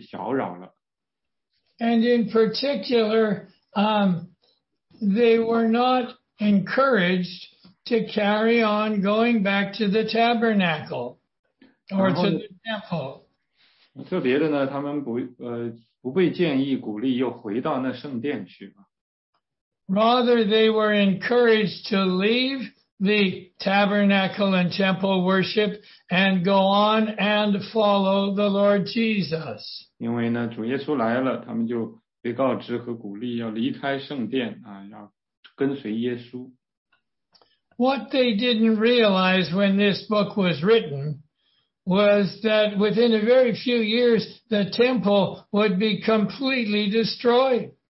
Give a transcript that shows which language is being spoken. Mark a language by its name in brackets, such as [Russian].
[Chinese] 然后主耶稣来了，然后他们的宗教呢就被搅扰了。 [English] And in particular, they were not encouraged to carry on going back to the tabernacle or to the temple. [Chinese] 特别的呢，他们不被建议鼓励又回到那圣殿去。 [English] Rather, they were encouraged to leave the tabernacle and temple worship and go on and follow the Lord Jesus. [Chinese] 因为呢，主耶稣来了，他们就 被告知和鼓励要离开圣殿，要跟随耶稣。 [English] What they didn't realize when this book was written was that within a very few years, the temple would be completely destroyed.